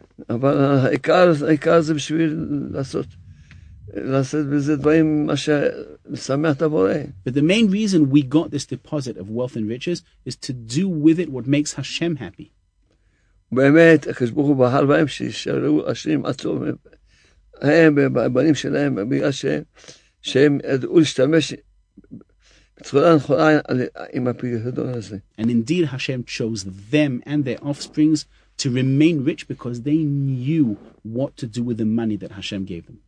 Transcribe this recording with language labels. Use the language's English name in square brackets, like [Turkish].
[Hebrew] אבל העיקר, העיקר זה בשביל לעשות, לעשות בזה דברים מה שמשמח את הבורא. [English] But the main reason we got this deposit of wealth and riches is to do with it what makes Hashem happy. [Hebrew] באמת, כשברוך הוא בחר בהם שישארו עשירים עד סוף, הם והבנים שלהם, בגלל שהם ידעו להשתמש בצורה נכונה עם הפיקדון הזה. [English] And indeed Hashem chose them and their offsprings to remain rich because they knew what to do with the money that Hashem gave them.